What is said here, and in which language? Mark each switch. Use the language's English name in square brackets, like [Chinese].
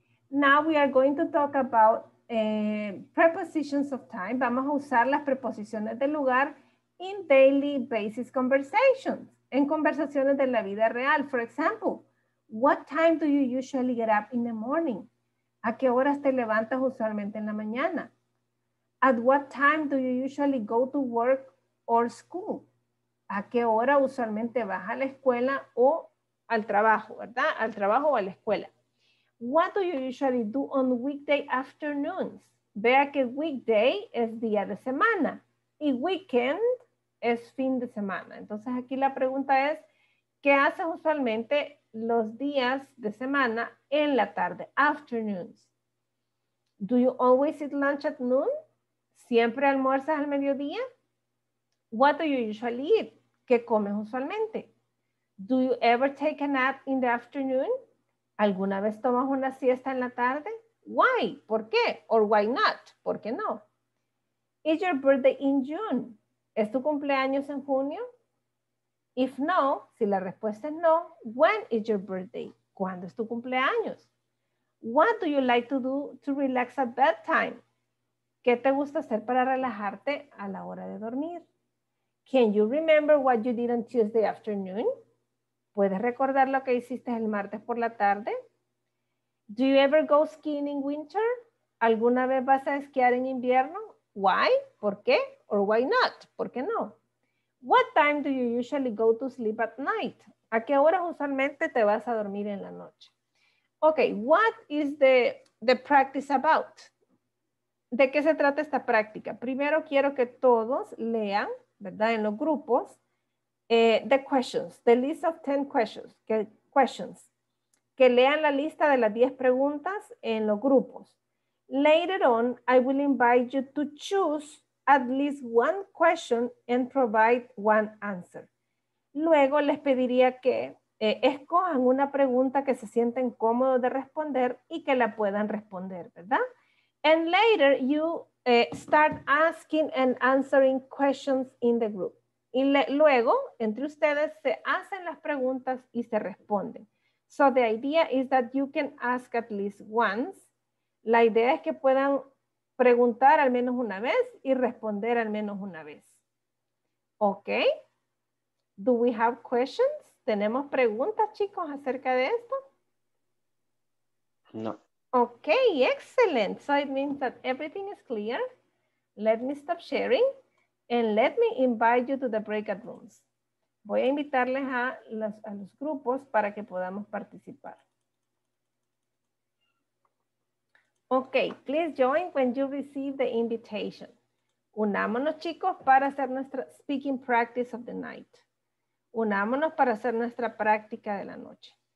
[English] Now we are going to talk about prepositions of time. [Spanish] Vamos a usar las preposiciones de lugar [English] in daily basis conversations, [Spanish] en conversaciones de la vida real. [English] For example, what time do you usually get up in the morning? [Spanish] ¿A qué horas te levantas usualmente en la mañana? [English] At what time do you usually go to work or school? [Spanish] ¿A qué hora usualmente vas a la escuela o al trabajo, verdad? Al trabajo o a la escuela. [English] What do you usually do on weekday afternoons? [Spanish] Vea que weekday es día de semana y weekend es fin de semana. Entonces aquí la pregunta es, ¿qué haces usualmente los días de semana en la tarde, afternoons? [English] Do you always eat lunch at noon? [Spanish] ¿Siempre almuerzas al mediodía? [English] What do you usually eat? [Spanish] ¿Qué comes usualmente? [English] Do you ever take a nap in the afternoon? [Spanish] ¿Alguna vez tomas una siesta en la tarde? [English] Why? [Spanish] ¿Por qué? [English] Or why not? [Spanish] ¿Por qué no? [English] Is your birthday in June? [Spanish] ¿Es tu cumpleaños en junio? [English] If no, [Spanish] si la respuesta es no, [English] when is your birthday? [Spanish] ¿Cuándo es tu cumpleaños? [English] What do you like to do to relax at bedtime? [Spanish] ¿Qué te gusta hacer para relajarte a la hora de dormir? [English] Can you remember what you did on Tuesday afternoon? [Spanish] ¿Puedes recordar lo que hiciste el martes por la tarde? [English] Do you ever go skiing in winter? [Spanish] ¿Alguna vez vas a esquiar en invierno? [English] Why? [Spanish] ¿Por qué? [English] Or why not? [Spanish] ¿Por qué no? [English] What time do you usually go to sleep at night? [Spanish] ¿A qué hora usualmente te vas a dormir en la noche? [English] Okay, what is the practice about? [Spanish] ¿De qué se trata esta práctica? Primero quiero que todos lean, ¿verdad? En los grupos, [English] the questions, the list of 10 questions, [Spanish] que lean la lista de las 10 preguntas en los grupos. [English] Later on, I will invite you to choose at least one question and provide one answer. [Spanish] Luego les pediría que escojan una pregunta que se sienten cómodos de responder y que la puedan responder, ¿verdad? [English] And later you start asking and answering questions in the group. [Spanish] Y luego, entre ustedes, se hacen las preguntas y se responden. [English] So the idea is that you can ask at least once. [Spanish] La idea es que puedan preguntar al menos una vez y responder al menos una vez. [English] Ok. Do we have questions? [Spanish] ¿Tenemos preguntas, chicos, acerca de esto? No. [English] Ok, excellent. So it means that everything is clear. Let me stop sharing and let me invite you to the breakout rooms. [Spanish] Voy a invitarles a los grupos para que podamos participar. [English] Ok, please join when you receive the invitation. [Spanish] Unámonos, chicos, para hacer nuestra [English] speaking practice of the night. [Spanish] Unámonos para hacer nuestra práctica de la noche.